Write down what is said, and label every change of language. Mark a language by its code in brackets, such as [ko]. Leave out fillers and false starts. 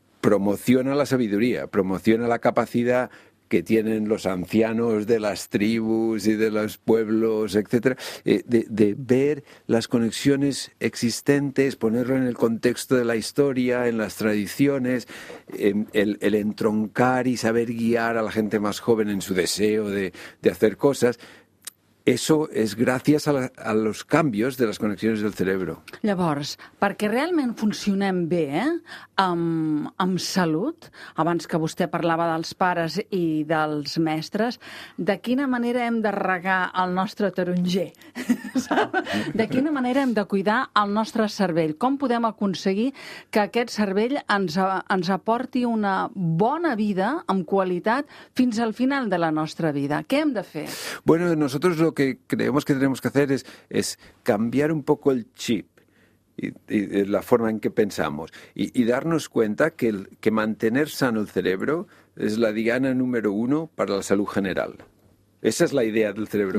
[es] promociona la sabiduría, promociona la capacidad que tienen los ancianos de las tribus y de los pueblos, etcétera, de ver las conexiones existentes, ponerlo en el contexto de la historia, en las tradiciones, el entroncar y saber guiar a la gente más joven en su deseo de hacer cosas. Eso es gracias a los cambios de las conexiones del cerebro. [ca] Llavors, perquè realment funcionem bé, amb salut, abans que vostè parlava dels pares i dels mestres, de quina manera hem de regar el nostre taronger? De quina manera hem de cuidar el nostre cervell? Com podem aconseguir que aquest cervell ens aporti una bona vida amb qualitat fins al final de la nostra vida? Què hem de fer? [es] Bueno, nosotros lo que creemos que tenemos que hacer es cambiar un poco el chip y la forma en que pensamos y darnos cuenta que mantener sano el cerebro es la diana número uno para la salud general. Esa es la idea del cerebro,